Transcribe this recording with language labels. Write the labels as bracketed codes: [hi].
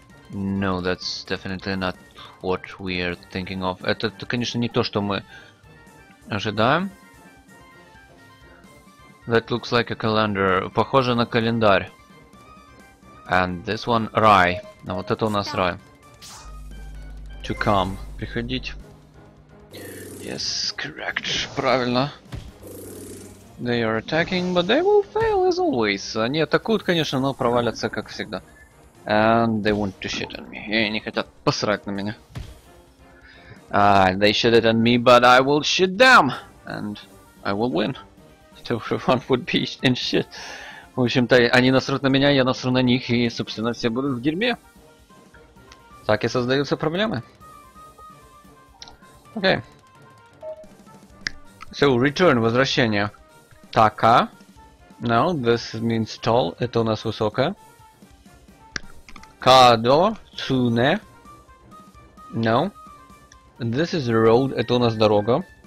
[en] No, that's definitely not what we are thinking of. [ru] Это конечно, не то, что мы ожидаем. [en] That looks like a calendar. Похоже на календарь. And this one, рай. Ну вот это у нас рай. To come. Приходить. Yes, correct. Правильно. They are attacking, but they will fail as always. [ru] Они атакуют, конечно, но провалятся, как всегда. [en] And they want to shit on me. [ru] И они хотят посрать на меня. [en] They shit it on me, but I will shit them. And I will win. Everyone would be in shit. [ru] В общем-то, они насрут на меня, я насру на них, и, собственно, все будут в дерьме. Так и создаются проблемы. Окей. [en] So, return, возвращение. Така. No, this means tall. Это у нас высокая. Кадо. Цуне. No. This is road. Это у нас дорога.